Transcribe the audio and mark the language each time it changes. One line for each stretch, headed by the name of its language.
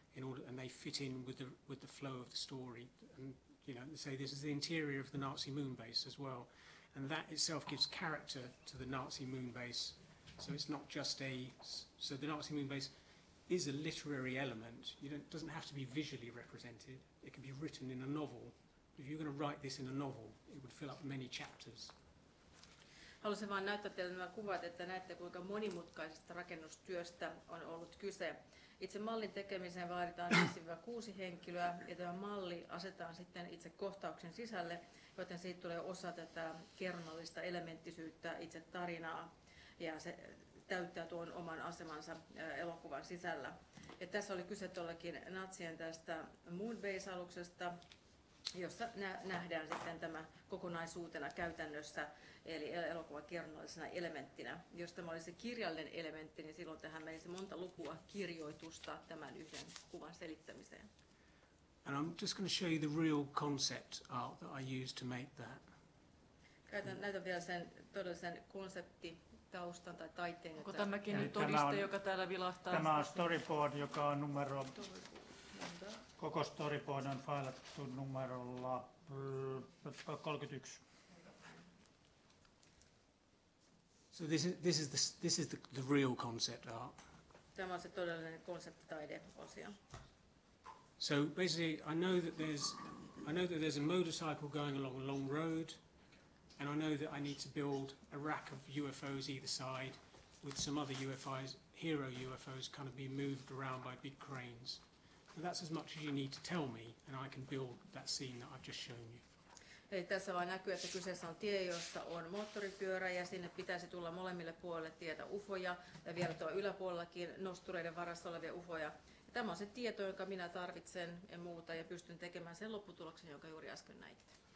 English: in order, and they fit in with the flow of the story. And you know, say this is the interior of the Nazi moon base as well, and that itself gives character to the Nazi moon base. So it's not just a, so the Nazi moon base is a literary element. You don't, doesn't have to be visually represented. It can be written in a novel. If you're going to write this in a novel, it would fill up many chapters.
Finnish: Haluaisin vain näyttää teille nämä kuvat, että näette kuinka monimutkaisesta rakennustyöstä on ollut kyse. Itse mallin tekemiseen vaaditaan 5-6 henkilöä ja tämä malli asetetaan sitten itse kohtauksen sisälle, joten siitä tulee osa tätä kerronnallista elementtisyyttä, itse tarinaa, ja se täyttää tuon oman asemansa elokuvan sisällä. Ja tässä oli kyse tuollakin natsien tästä Moonbase-aluksesta, jossa nähdään sitten tämä kokonaisuutena käytännössä, eli elokuvan kerronnallisena elementtinä. Jos tämä olisi kirjallinen elementti, niin silloin tähän menisi monta lukua kirjoitusta tämän yhden kuvan selittämiseen.
English: And I'm just going to show you the real concept art that I used to make that.
Finnish: Näytän vielä sen todellisen konseptitaustan tai taiteen. Onko tämäkin nyt todiste, joka täällä vilahtaa? Tämä on storyboard, joka on numero... Koko storyboard on failattu numerolla 31.
English: So this is the real concept art.
Finnish: Tämä on se todellinen konseptitaideosio.
English: So basically I know that there's a motorcycle going along a long road, and I know that I need to build a rack of UFOs either side with some other UFOs, hero UFOs, kind of being moved around by big cranes. So that's as much as you need to tell me, and I can build that scene that I've just shown you.
Finnish: Eli tässä vain näkyy, että kyseessä on tie, jossa on moottoripyörä ja sinne pitäisi tulla molemmille puolelle tietä ufoja ja vielä tuo yläpuolellakin nostureiden varassa olevia ufoja. Ja tämä on se tieto, jonka minä tarvitsen ja muuta ja pystyn tekemään sen lopputuloksen, jonka juuri äsken näitte.